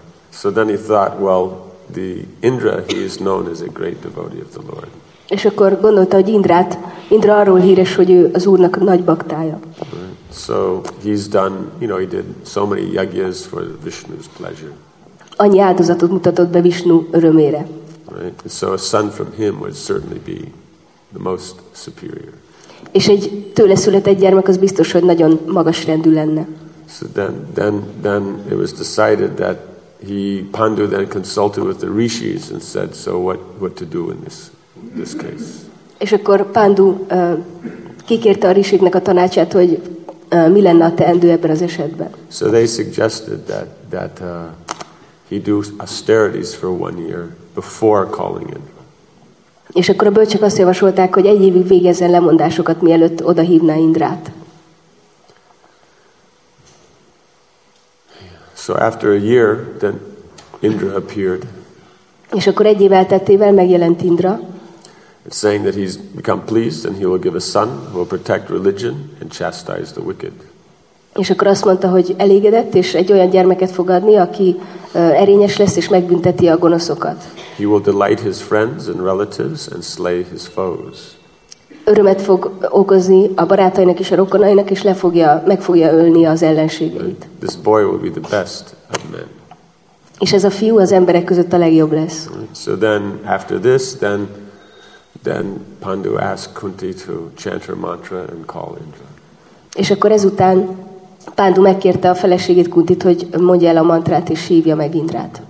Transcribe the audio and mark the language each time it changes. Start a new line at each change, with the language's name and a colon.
English: So then he thought, well, the Indra, he is known as a great devotee of the Lord.
Hungarian: És akkor gondolta, hogy Indra arról híres, hogy ő az Úrnak nagy baktája.
English: So he's done, you know, he did so many yagyas for Vishnu's pleasure.
Hungarian: Annyi áldozatot mutatott be Vishnu örömére.
English: Right. So a son from him would certainly be the most superior.
Hungarian: És egy tőle született gyermek az biztos, hogy nagyon magas rendű lenne.
English: So then it was decided that Pandu then consulted with the rishis and said, so what to do in this case.
Hungarian: És akkor Pandu kikérte a rishiknek a tanácsát, hogy mi lenne a teendő ebben az esetben.
English: So they suggested that he do austerities for 1 year before calling in.
Hungarian: És akkor a bölcsek azt javasolták, hogy egy évig végezzen lemondásokat, mielőtt oda hívná Indrát.
English: So after a year, then Indra appeared.
Hungarian: És akkor egy év elteltével megjelent Indra.
English: It's saying that he's become pleased and he will give a son who will protect religion and chastise the wicked.
Hungarian: És akkor azt mondta, hogy elégedett, és egy olyan gyermeket fog adni, aki erényes lesz és megbünteti a gonoszokat.
English: He will delight his friends and relatives and slay his foes.
Hungarian: Örömet fog okozni a barátainak és a rokonainak, és meg fogja ölni az ellenségeit.
English: This boy will be the best of men.
Hungarian: És ez a fiú az emberek között a legjobb lesz.
English: So then, after this, then Pandu asked Kunti to chant her mantra and call Indra.
Hungarian: És akkor ezután Pandu megkérte a feleségét, Kuntit, hogy mondja el a mantrát és hívja meg Indrát.